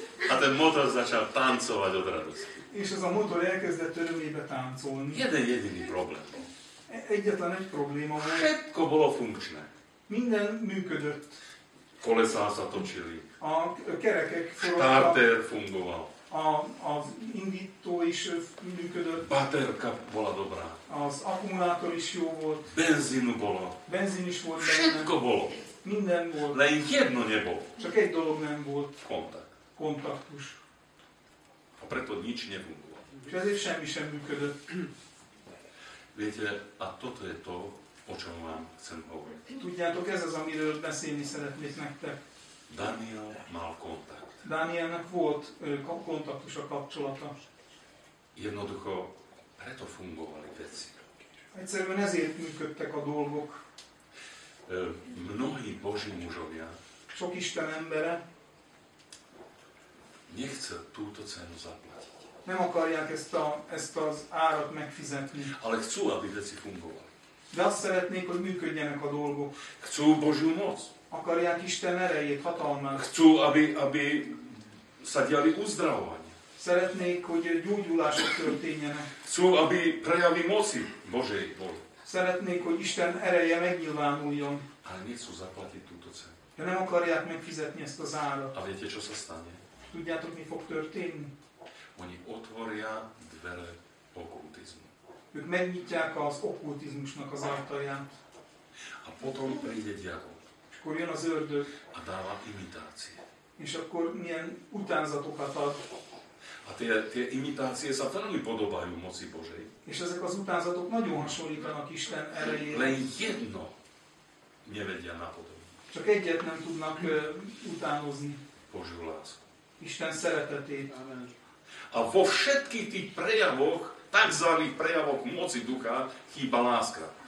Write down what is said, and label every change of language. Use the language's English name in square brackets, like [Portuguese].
[Slovak] A ten motor začal táncovať od radosti. [Hungarian] És ez a motor elkezdett örömébe táncolni. [Slovak] Jeden jediný problém. [Hungarian] Egyetlen egy probléma volt. [Slovak] Všetko bolo funkčné. [Hungarian] Minden működött. [Slovak] Kolesá sa točili. [Hungarian] A kerekek forogtak. [Slovak] Starter fungoval. [Hungarian] Az indító is működött. [Slovak] Baterka bola dobrá. [Hungarian] Az akkumulátor is jó volt. [Slovak] Benzínu bolo. [Hungarian] Benzín is volt. [Slovak] Všetko bolo. [Hungarian] Minden volt. [Slovak] Len jedno nebolo. [Hungarian] Csak egy dolog nem volt. [Slovak] Kontakt. [Hungarian] Kontaktus. [Slovak] A preto nič nefungoval. [Hungarian] És ezért semmi sem működött. [Slovak] Viete, a toto je to, o čom vám chcem hovoriť. [Hungarian] Tudjátok, ez az, amiről beszélni szeretnék nektek. [Slovak] Daniel mal kontakt. [Hungarian] Danielnek volt kontaktus a kapcsolata. [Slovak] Jednoducho, preto fungovali veci. [Hungarian] Egyszerűen ezért működtek a dolgok. [Slovak] Mnohí boží mužovia. [Hungarian] Sok Isten embere. [Slovak] Nechce túto cenu zaplatiť. [Hungarian] Nem akarják ezt az árat megfizetni. [Slovak] Ale chcú, aby veci fungovali. [Hungarian] De azt szeretnék, hogy működjenek a dolgok. [Slovak] Chcú Božiu moc. [Hungarian] Akarják Isten erejét, hatalmát. [Slovak] Chcú, aby sa diali uzdravovanie. [Hungarian] Szeretnék, hogy gyógyulások történjenek. [Slovak] Chcú, aby prejavy moci Božej boli. [Hungarian] Szeretnék, hogy Isten ereje megnyilvánuljon. [Slovak] Ale nechcú zaplatiť túto cenu. [Hungarian] De nem akarják megfizetni ezt az árat. [Slovak] A viete, čo sa stane? [Hungarian] Tudjátok, mi fog történni? [Slovak] Oni otvoria dvere okultizmu. [Hungarian] Ők megnyitják az okkultizmusnak az ajtaját. [Slovak] A potom príde diabol. [Hungarian] Akkor jön az ördög. [Slovak] A dáva imitácie. [Hungarian] És akkor milyen utánzatokat ad. [Slovak] A tie imitácie sa veľmi podobajú moci Božej. [Hungarian] És ezek az utánzatok nagyon hasonlítanak Isten erejére. [Slovak] Len jedno nevedia napodobni. [Hungarian] Csak egyet nem tudnak utánozni. [Slovak] Božiu lásku. [Hungarian] Isten szeretetét. [Slovak] Amen. A vo všetkých tých prejavoch, takzvaných prejavoch moci ducha, chýba láska.